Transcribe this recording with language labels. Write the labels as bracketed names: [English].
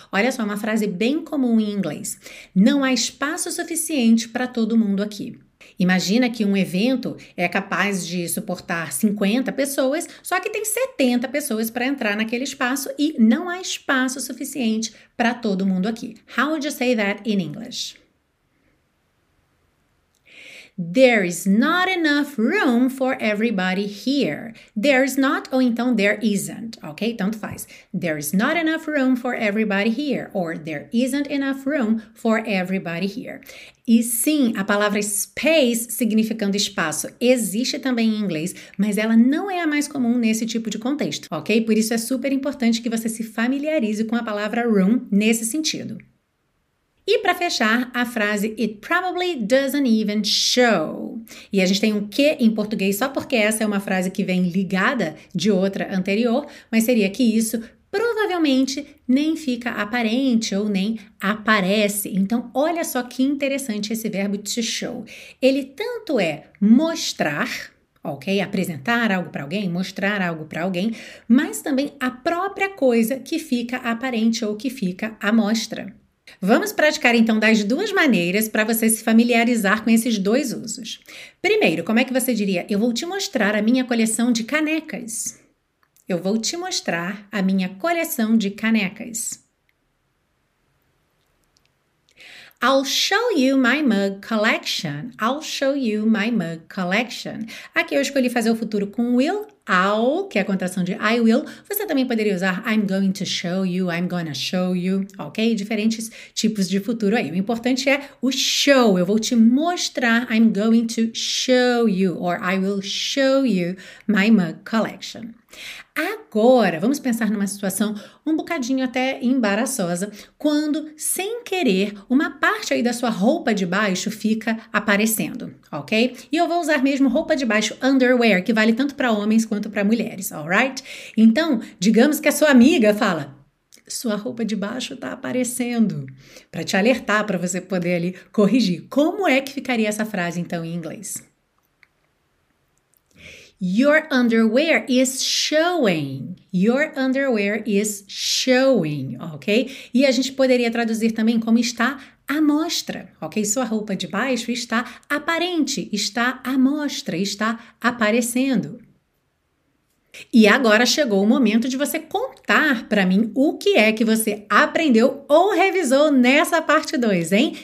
[Portuguese] Olha só, uma frase bem comum em inglês. Não há espaço suficiente para todo mundo aqui. Imagina que um evento é capaz de suportar 50 pessoas, só que tem 70 pessoas para entrar naquele espaço e não há espaço suficiente para todo mundo aqui. [English] How would you say that in English? There is not enough room for everybody here. There is not, [Portuguese] ou então [English] there isn't, ok? [Portuguese] Tanto faz. [English] There is not enough room for everybody here. Or there isn't enough room for everybody here. [Portuguese] E sim, a palavra space, significando espaço, existe também em inglês, mas ela não é a mais comum nesse tipo de contexto, ok? Por isso é super importante que você se familiarize com a palavra room nesse sentido. E para fechar, a frase [English] it probably doesn't even show. [Portuguese] E a gente tem um que em português só porque essa é uma frase que vem ligada de outra anterior, mas seria que isso provavelmente nem fica aparente ou nem aparece. Então, olha só que interessante esse verbo to show. Ele tanto é mostrar, ok? Apresentar algo para alguém, mostrar algo para alguém, mas também a própria coisa que fica aparente ou que fica à mostra. Vamos praticar então das duas maneiras para você se familiarizar com esses dois usos. Primeiro, como é que você diria? Eu vou te mostrar a minha coleção de canecas. Eu vou te mostrar a minha coleção de canecas. [English] I'll show you my mug collection. I'll show you my mug collection. [Portuguese] Aqui eu escolhi fazer o futuro com will, I'll, que é a contração de I will. Você também poderia usar [English] I'm going to show you, I'm gonna show you, ok? [Portuguese] Diferentes tipos de futuro aí. O importante é o show. Eu vou te mostrar, [English] I'm going to show you, or I will show you my mug collection. [Portuguese] Agora, vamos pensar numa situação um bocadinho até embaraçosa, quando, sem querer, uma parte aí da sua roupa de baixo fica aparecendo, ok? E eu vou usar mesmo roupa de baixo, underwear, que vale tanto para homens quanto para mulheres, alright? Então, digamos que a sua amiga fala, sua roupa de baixo está aparecendo, para te alertar, para você poder ali corrigir. Como é que ficaria essa frase, então, em inglês? [English] Your underwear is showing. Your underwear is showing, ok? [Portuguese] E a gente poderia traduzir também como está à mostra, ok? Sua roupa de baixo está aparente, está à mostra, está aparecendo. E agora chegou o momento de você contar para mim o que é que você aprendeu ou revisou nessa parte 2, hein?